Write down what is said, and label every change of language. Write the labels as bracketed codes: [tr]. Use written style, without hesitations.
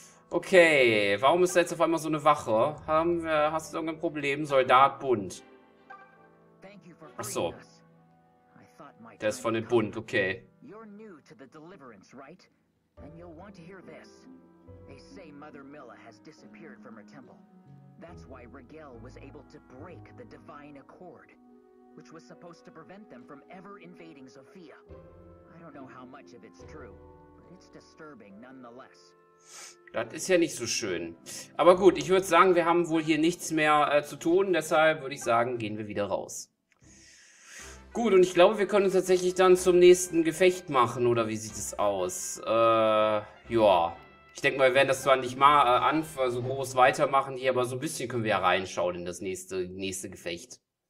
[de] Okay, warum ist da jetzt auf einmal so eine Wache? Hast du irgendein Problem? Soldat Bund. Achso. Der ist von dem Bund, okay. [en] You're new to the deliverance, right? And you'll want to hear this. They say Mother Mila has disappeared from her temple. That's why Regel was able to break the Divine Accord, which was supposed to prevent them from ever invading Sophia. I don't know how much of it's true, but it's disturbing nonetheless. [de] Das ist ja nicht so schön. Aber gut, ich würde sagen, wir haben wohl hier nichts mehr zu tun. Deshalb würde ich sagen, gehen wir wieder raus. Gut, und ich glaube, wir können uns tatsächlich dann zum nächsten Gefecht machen, oder wie sieht es aus? Ja. Ich denke mal, wir werden das zwar nicht mal so groß weitermachen hier, aber so ein bisschen können wir ja reinschauen in das nächste Gefecht.